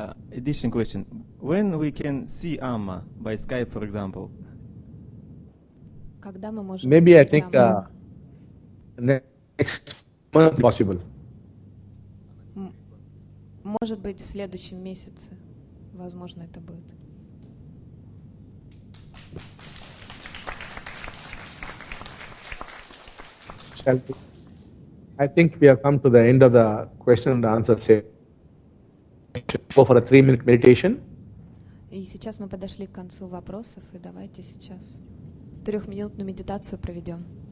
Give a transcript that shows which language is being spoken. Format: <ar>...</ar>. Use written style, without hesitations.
<en>Additional question. When we can see Amma by Skype, for example? Maybe I think next month possible.</en> <ru>Может быть, в следующем месяце, возможно, это будет.</ru> <en>I think we have come to the end of the question and answer session. Go for a 3-minute meditation.</en> <ru>И сейчас мы подошли к концу вопросов, и давайте сейчас 3-минутную медитацию проведем.</ru>